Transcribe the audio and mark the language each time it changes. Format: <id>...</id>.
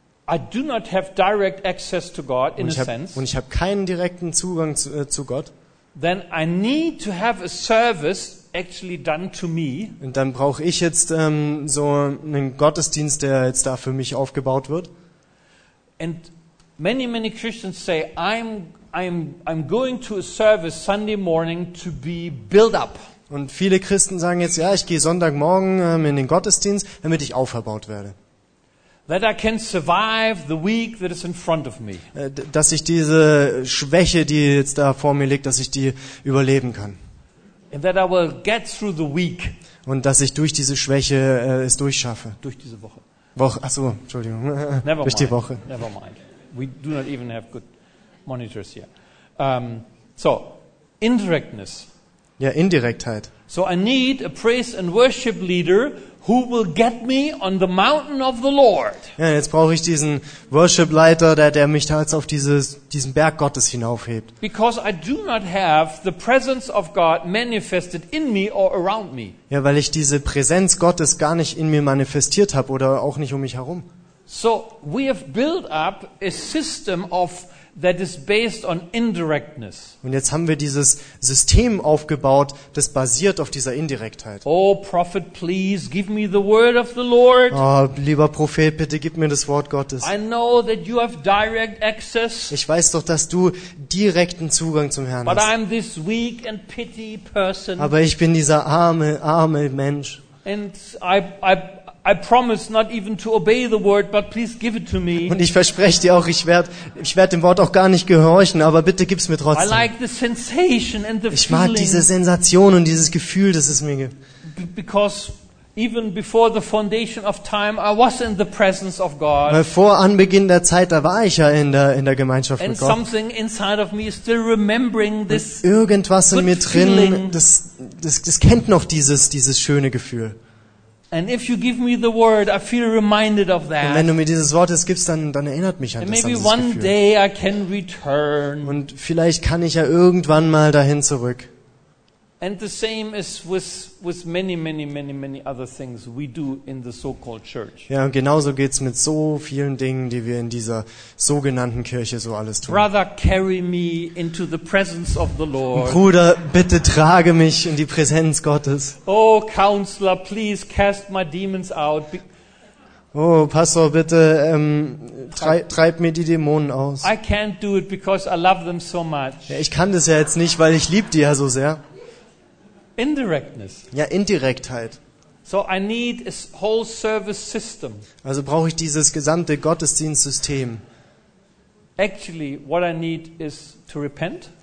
<en>I do not have direct access to God in a sense.</en> <de>Und ich habe keinen direkten Zugang zu Gott.</de> <en>Then I need to have a service actually done to me.</en> <de>Und dann brauche ich jetzt so einen Gottesdienst, der jetzt da für mich aufgebaut wird.</de> <en>And many Christians say I'm going to a service Sunday morning to be built up.</en> <de>Und viele Christen sagen jetzt, ja, ich gehe Sonntagmorgen in den Gottesdienst, damit ich aufgebaut werde.</de> <en>That I can survive the week that is in front of me.</en> <de>Dass ich diese Schwäche, die jetzt da vor mir liegt, dass ich die überleben kann.</de> <en>And that I will get through the week.</en> <de>Und dass ich durch diese Schwäche es durchschaffe. Durch diese Woche. Entschuldigung.</de> <en>Never</en> <de>durch</de> <en>mind.</en> <de>Die Woche.</de> <en>Never mind. We do not even have good monitors here. So, indirectness.</en> <de>Ja, Indirektheit.</de> <en>So I need a praise and worship leader who will get me on the mountain of the Lord.</en> <de>Ja, jetzt brauche ich diesen Worship-Leiter, der mich da jetzt auf diesen Berg Gottes hinaufhebt.</de> <en>Because I do not have the presence of God manifested in me or around me.</en> <de>Ja, weil ich diese Präsenz Gottes gar nicht in mir manifestiert habe oder auch nicht um mich herum.</de> <en>So we have built up a system of that is based on indirectness.</en> <de>Und jetzt haben wir dieses System aufgebaut, das basiert auf dieser Indirektheit.</de> <en>Oh prophet, please give me the word of the Lord.</en> <de>Oh, lieber Prophet, bitte gib mir das Wort Gottes.</de> <en>I know that you have direct access.</en> <de>Ich weiß doch, dass du direkten Zugang zum Herrn hast.</de> <en>But I'm this weak and pity person.</en> <de>Aber ich bin dieser arme Mensch.</de> <en>And I promise not even to obey the word, but please give it to me.</en> <de>Und ich verspreche dir auch, ich werd dem Wort auch gar nicht gehorchen, aber bitte gib's mir trotzdem.</de> <en>I like the sensation and the feeling.</en> <de>Ich mag diese Sensation und dieses Gefühl, das es mir gibt.</de> <en>Because even before the foundation of time, I was in the presence of God.</en> <de>Vor Anbeginn der Zeit, da war ich ja in der Gemeinschaft</de> <en>and And something inside of me is still remembering this.</en> <de>Und irgendwas in mir drin, das kennt noch dieses schöne Gefühl.</de> <en>And if you give me the word, I feel reminded of that.</en> <de>Und wenn du mir dieses Wort jetzt gibst, dann erinnert mich an das Gefühl.</de> <en>And maybe one day I can return.</en> <de>Und vielleicht kann ich ja irgendwann mal dahin zurück.</de> <en>And the same is with many other things we do in the so-called church.</en> <de>Ja, und genauso geht's mit so vielen Dingen, die wir in dieser sogenannten Kirche so alles tun.</de> <en>Brother, carry me into the presence of the Lord.</en> <de>Bruder, bitte trage mich in die Präsenz Gottes.</de> <en>Oh, counselor, please cast my demons out.</en> <de>Oh, Pastor, bitte treib mir die Dämonen aus.</de> <en>I can't do it because I love them so much.</en> <de>Ja, ich kann das ja jetzt nicht, weil ich lieb die ja so sehr.</de> <en>Indirectness.</en> <de>Ja, Indirektheit.</de> <en>So I need a whole service system.</en> <de>Also brauche ich dieses gesamte Gottesdienstsystem.</de> <en>Actually, what I need is to repent.</en>